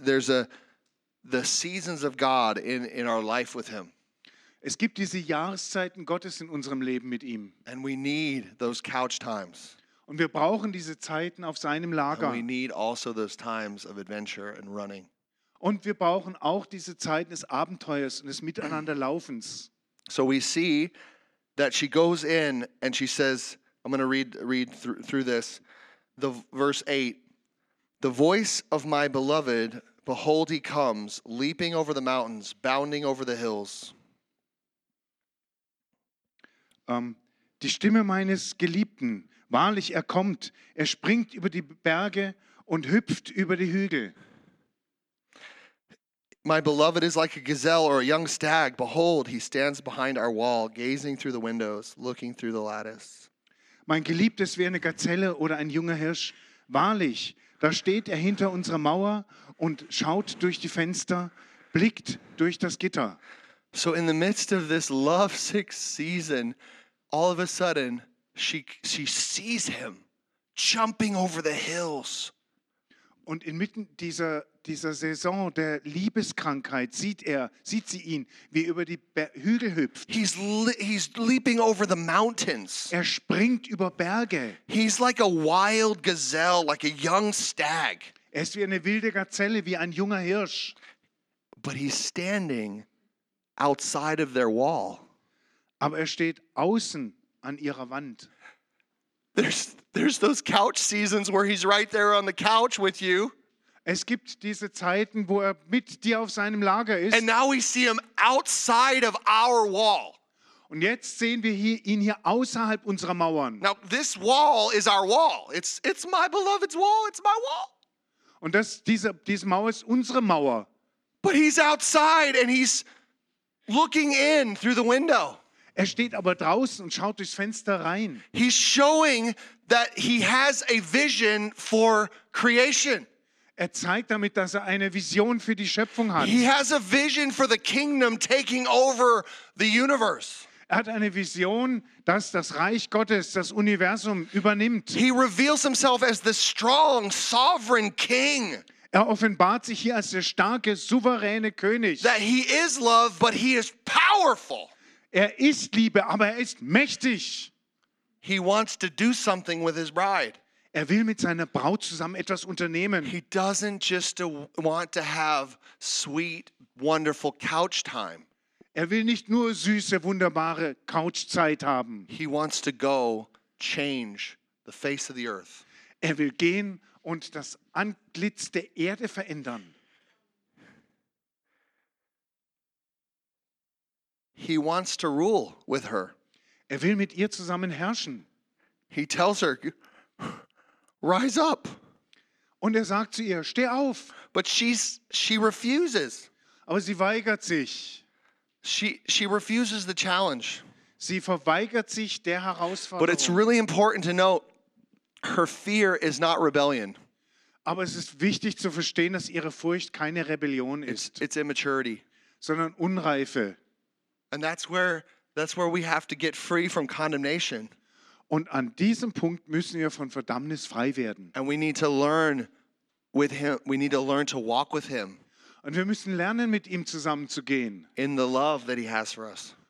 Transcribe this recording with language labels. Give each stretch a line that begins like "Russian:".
English: There's the seasons of God in our life with him.
German: Es gibt diese Jahreszeiten Gottes in unserem Leben mit ihm.
English: And we need those couch times.
German: Und wir brauchen diese Zeiten auf seinem Lager.
English: And we need also those times of adventure and running.
German: Und wir brauchen auch diese Zeiten des Abenteuers und des Miteinanderlaufens.
English: So we see that she goes in and she says, I'm going to read through this, the verse 8. The voice of my beloved, behold, he comes, leaping over the mountains, bounding over the hills.
German: Die Stimme meines Geliebten, wahrlich, er kommt, er springt über die Berge und hüpft über die Hügel.
English: My beloved is like a gazelle or a young stag. Behold, he stands behind our wall, gazing through the windows, looking through the lattice.
German: Mein Geliebter ist wie eine Gazelle oder ein junger Hirsch, wahrlich, da steht er hinter unserer Mauer und schaut durch die Fenster, blickt durch das Gitter.
English: So in the midst of this lovesick season, all of a sudden, She sees him jumping over the hills.
German: Und inmitten dieser Saison der Liebeskrankheit sieht sie ihn, wie er über die Hügel hüpft.
English: He's leaping over the mountains.
German: Er springt über Berge.
English: He's like a wild gazelle, like a young stag.
German: Er ist wie eine wilde Gazelle, wie ein junger Hirsch.
English: But he's standing outside of their wall.
German: Aber er steht außen an ihrer Wand.
English: There's those couch seasons where he's right there on the couch with you.
German: Es gibt diese Zeiten, wo er mit dir auf seinem Lager ist.
English: And now we see him outside of our wall.
German: Und jetzt sehen wir ihn hier außerhalb unserer Mauern.
English: Now this wall is our wall. It's my beloved's wall. It's my wall.
German: Und diese Mauer ist unsere Mauer.
English: But he's outside and he's looking in through the window.
German: Er steht aber draußen und schaut durchs Fenster rein.
English: He's showing that he has a vision for creation.
German: Er zeigt damit, dass er eine Vision für die Schöpfung hat.
English: He has a vision for the kingdom taking over the universe.
German: Er hat eine Vision, dass das Reich Gottes das Universum übernimmt.
English: He reveals himself as the strong, sovereign king.
German: Er offenbart sich hier als der starke, souveräne König.
English: That he is love, but he is powerful.
German: Er ist Liebe, aber er ist mächtig.
English: He wants to do something with his bride.
German: Er will mit seiner Braut zusammen etwas unternehmen.
English: He doesn't just want to have sweet, wonderful couch time.
German: Er will nicht nur süße, wunderbare Couchzeit haben.
English: He wants to go change the face of the earth.
German: Er will gehen und das Antlitz der Erde verändern.
English: He wants to rule with her.
German: Er will mit ihr zusammen herrschen.
English: He tells her, "Rise up."
German: Und er sagt zu ihr, steh auf.
English: But she refuses.
German: Aber sie weigert sich.
English: She refuses the challenge.
German: Sie verweigert sich der Herausforderung.
English: But it's really important to note, her fear is not rebellion.
German: Aber es ist wichtig zu verstehen, dass ihre Furcht keine Rebellion ist.
English: It's immaturity.
German: Sondern Unreife.
English: And that's where we have to get free from condemnation.
German: Und an diesem Punkt müssen wir von Verdammnis frei werden.
English: And we need to learn with him. We need to learn to walk with him.
German: Und wir müssen lernen, mit ihm zusammenzugehen.
English: In the love that he has for us.